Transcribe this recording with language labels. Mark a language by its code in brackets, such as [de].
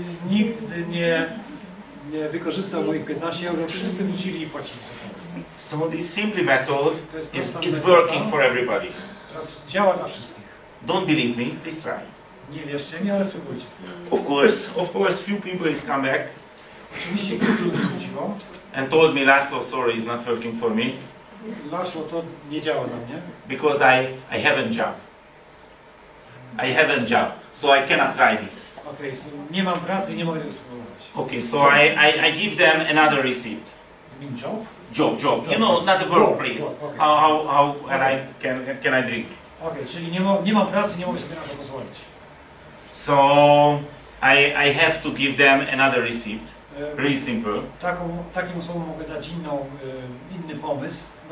[pl] Nigdy nie wykorzystał moich 15 euro. Wszyscy wrócili i płacili za to. [en] So this simple method is working for everybody. [pl] Teraz działa dla wszystkich. [en] Don't believe me, please try. [pl] Nie wierzcie mi, ale spróbujcie. [en] Of course, few people is come back. [pl] Oczywiście kilku ludzi wróciło. [en] And told me, Laszlo, sorry, it's not working for me. [pl] Laszlo, to nie działa na mnie. [en] Because I haven't job. I haven't job, so I cannot try this. Okay, so [pl] nie mam pracy, nie mogę tego spróbować. [en] Okay, so I give them another receipt. You mean job? Job. You know, not the work, please. Okay. How okay. And can I drink? [pl] Okay, czyli nie mam pracy, nie mogę sobie na to pozwolić. [en] So I have to give them another receipt. Really simple. [pl] Takim osobom mogę dać inny pomysł.